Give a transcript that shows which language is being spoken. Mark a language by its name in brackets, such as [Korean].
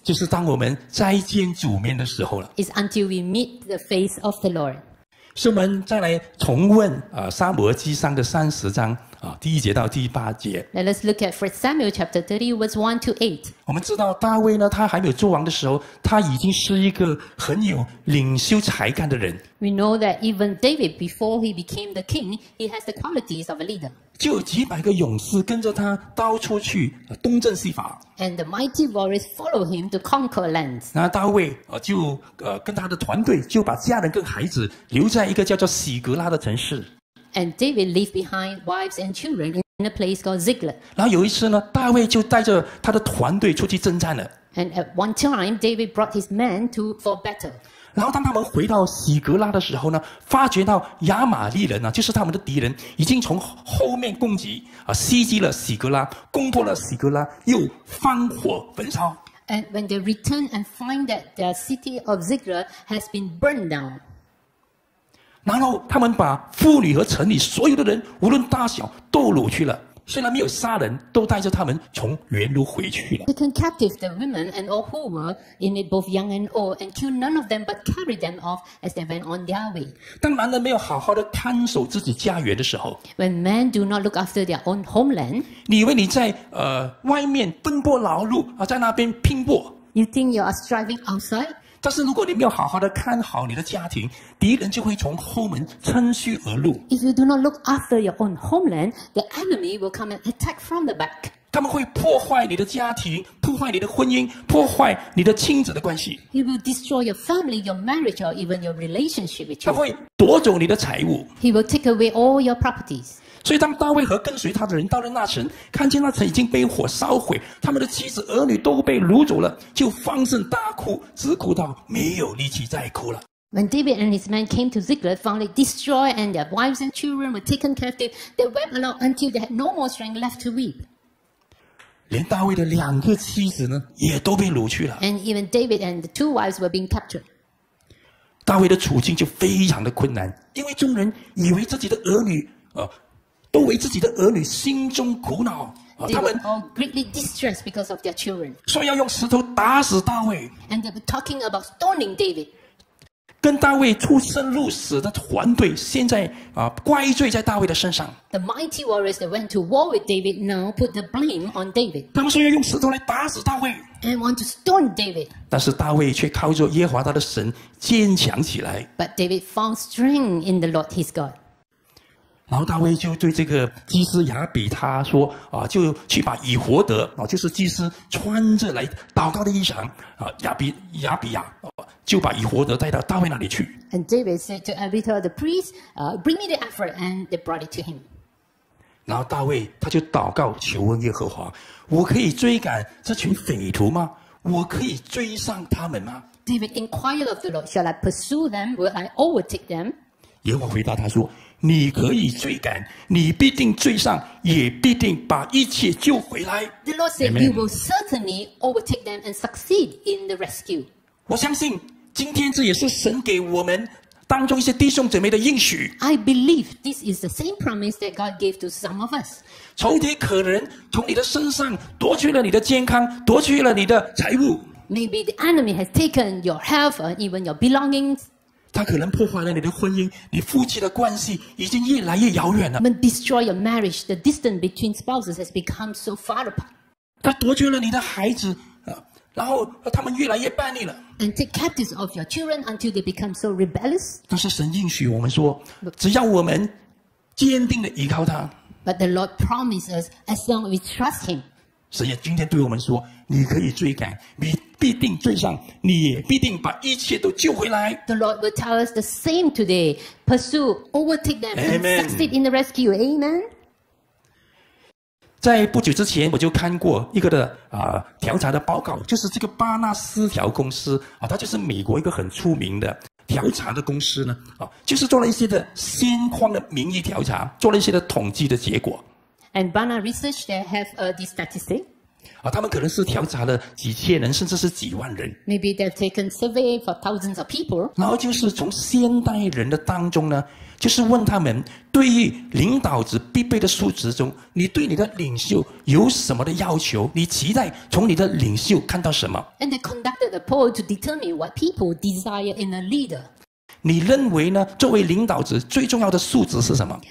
[Chinese] 就是当我们再见主面的时候了。 [English] It's until we meet the face of the Lord. [Chinese] 所以我们再来重温撒母耳记上的三十章第一节到第八节。 [English] Let us look at 1 Samuel chapter 30, verse 1 to 8. [Chinese] 我们知道大卫呢，他还没有做王的时候，他已经是一个很有领袖才干的人。 [English] We know that even David, before he became the king, he has the qualities of a leader. [Chinese] 就有几百个勇士跟着他到处去东征西伐。 [English] And the mighty warriors follow him to conquer lands. [Chinese] 那大卫就跟他的团队就把家人跟孩子留在一个叫做洗格拉的城市。 [English] And David left behind wives and children in a place called Ziklag. [Chinese] 然后有一次呢，大卫就带着他的团队出去征战了。 [English] And at one time, David brought his men to for battle. [Chinese] 然后当他们回到洗格拉的时候呢，发觉到亚玛利人就是他们的敌人，已经从后面攻击袭击了洗格拉，攻破了洗格拉，又放火焚烧。 [English] And when they return and find that their city of Ziklag has been burned down. [Chinese] 然后他们把妇女和城里所有的人，无论大小，都掳去了。虽然没有杀人，都带着他们从原路回去了。 [English] They took captive the women and all who were in it, both young and old, and killed none of them, but carried them off as they went on their way. [Chinese] 当男人没有好好的看守自己家园的时候 [English] ，When men do not look after their own homeland， [Chinese] 你以为你在外面奔波劳碌在那边拼搏 [English] ？You think you are striving outside？ [Chinese] 但是如果你没有好好的看好你的家庭，敌人就会从后门趁虚而入。 [English] If you do not look after your own homeland, the enemy will come and attack from the back. [Chinese] 他们会破坏你的家庭，破坏你的婚姻，破坏你的亲子的关系。 [English] He will destroy your family, your marriage, or even your relationship with children. [Chinese] 他会夺走你的财物。 [English] He will take away all your properties. [Chinese] 所以当大卫和跟随他的人到了那城，看见那城已经被火烧毁，他们的妻子儿女都被掳走了，就放声大哭，直哭到没有力气再哭了。 [English] When David and his men came to Ziklag, found it destroyed, and their wives and children were taken captive. They wept aloud until they had no more strength left to weep. [Chinese] 连大卫的两个妻子呢，也都被掳去了。 [English] And even David and the two wives were being captured. [Chinese] 大卫的处境就非常的困难，因为众人以为自己的儿女，都为自己的儿女心中苦恼。 [English] They were all greatly distressed because of their children. [Chinese] 说要用石头打死大卫。 [English] And they were talking about stoning David. [Chinese] 跟大卫出生入死的团队，现在怪罪在大卫的身上。 [English] The mighty warriors that went to war with David now put the blame on David. [Chinese] 他们说要用石头来打死大卫。 [English] And want to stone David. [Chinese] 但是大卫却靠着耶和华他的神坚强起来。 [English] But David found strength in the Lord his God. [Chinese] 然后大卫就对这个祭司亚比他说就去把以弗德就是祭司穿着来祷告的衣裳亚比亚。就把以弗德带到大卫那里去。 [English] And David said to Abithar the priest, "Bring me the ephod," and they brought it to him. [Chinese] 然后大卫他就祷告求问耶和华：“我可以追赶这群匪徒吗？我可以追上他们吗 [English] ？”David inquired of the Lord, "Shall I pursue them? Will I overtake them?" [Chinese] 耶和华回答他说：“你可以追赶，你必定追上，也必定把一切救回来。 [English] ”The Lord said,、Amen. "You will certainly overtake them and succeed in the rescue." [Chinese] 我相信今天这也是神给我们当中一些弟兄姊妹的应许。 [English] I believe this is the same promise that God gave to some of us. [Chinese] 仇敌可能从你的身上夺去了你的健康，夺去了你的财物。 [English] Maybe the enemy has taken your health or even your belongings. [Chinese] 他可能破坏了你的婚姻，你夫妻的关系已经越来越遥远了。 [English] Maybe destroy your marriage. The distance between spouses has become so far apart. [Chinese] 他夺去了你的孩子。然后他们越来越叛逆了。 [English] And take captives of your children until they become so rebellious. [Chinese] 但是神应许我们说，只要我们坚定地依靠他。 [English] But the Lord promises as long as we trust Him. [Chinese] 神也今天对我们说，你可以追赶，你必定追上，你也必定把一切都救回来。 [English] The Lord will tell us the same today. Pursue, overtake them, Amen. And succeed in the rescue. Amen. [Chinese] 在不久之前我就看过一个的调查的报告，就是这个巴纳斯调公司它就是美国一个很出名的调查的公司呢就是做了一些的先况的民意调查，做了一些的统计的结果。 [English] And Barna Research, they have this statistic. [Chinese] 他们可能是调查了几千人甚至是几万人。 [English] Maybe they've taken survey for thousands of people. [Chinese] 然后就是从先代人的当中呢就是问他们，对于领导者必备的素质中，你对你的领袖有什么的要求？你期待从你的领袖看到什么 [English] ？And they conducted a poll to determine what people desire in a leader. [Chinese] 你认为呢？作为领导者最重要的素质是什么